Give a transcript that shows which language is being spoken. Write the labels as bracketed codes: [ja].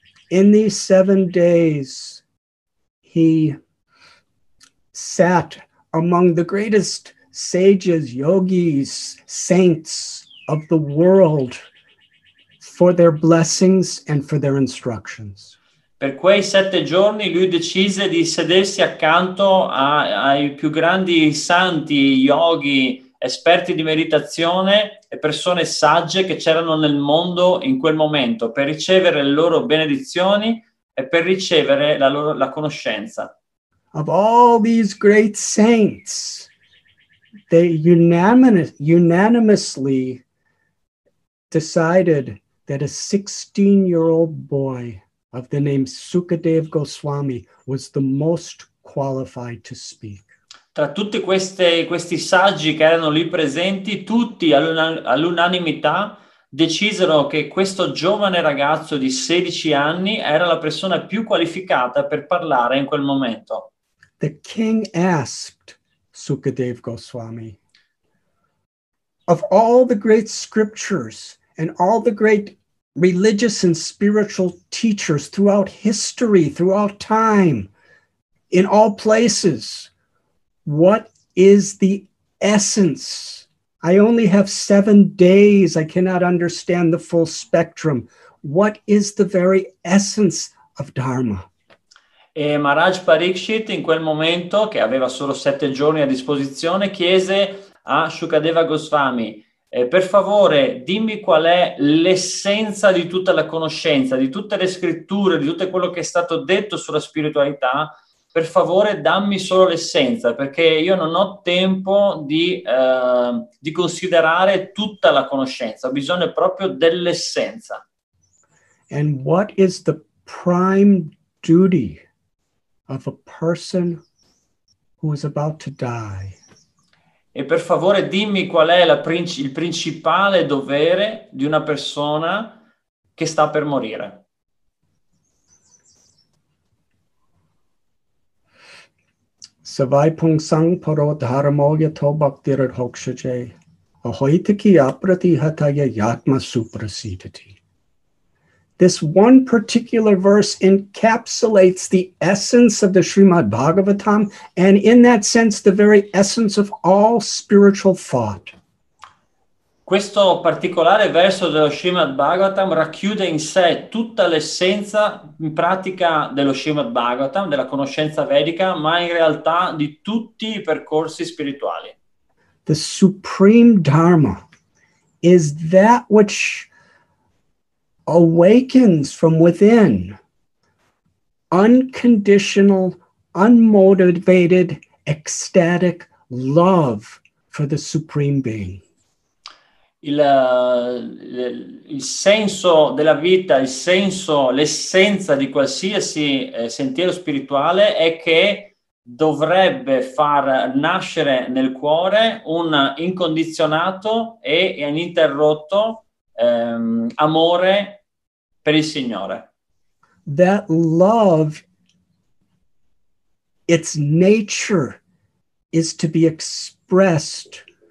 [en] In these 7 days, he sat among the greatest sages, yogis, saints of the world for their blessings and for their instructions. [it] Per quei 7 giorni lui decise di sedersi accanto ai più grandi santi, yogi, esperti di meditazione e persone sagge che c'erano nel mondo in quel momento per ricevere le loro benedizioni e per ricevere la conoscenza. [en] Of all these great saints, they unanimously decided that a 16-year-old boy of the name Sukadev Goswami was the most qualified to speak. [it] Tra tutti questi saggi che erano lì presenti, tutti all'unanimità decisero che questo giovane ragazzo di 16 anni era la persona più qualificata per parlare in quel momento. [en] The king asked Sukadev Goswami, of all the great scriptures and all the great religious and spiritual teachers throughout history, throughout time, in all places, what is the essence? I only have 7 days. I cannot understand the full spectrum. What is the very essence of Dharma? [it] E Maharaj Parikshit, in quel momento, che aveva solo 7 giorni a disposizione, chiese a Sukadeva Goswami, per favore, dimmi qual è l'essenza di tutta la conoscenza, di tutte le scritture, di tutto quello che è stato detto sulla spiritualità, per favore dammi solo l'essenza, perché io non ho tempo di considerare tutta la conoscenza, ho bisogno proprio dell'essenza. [en] And what is the prime duty of a person who is about to die? [it] E per favore dimmi qual è il principale dovere di una persona che sta per morire. [sa] Savai pung sang paro dharmo yato bhaktir hokshaje ahoitiki aprati hataya yatma suprasitati. [en] This one particular verse encapsulates the essence of the Srimad Bhagavatam and in that sense the very essence of all spiritual thought. [it] Questo particolare verso dello Srimad Bhagavatam racchiude in sé tutta l'essenza in pratica dello Srimad Bhagavatam, della conoscenza vedica, ma in realtà di tutti i percorsi spirituali. [en] The supreme dharma is that which awakens from within unconditional, unmotivated, ecstatic love for the Supreme Being. [it] Il senso della vita, il senso, l'essenza di qualsiasi sentiero spirituale è che dovrebbe far nascere nel cuore un incondizionato e ininterrotto amore per il Signore. [en] That love, its nature is to be expressed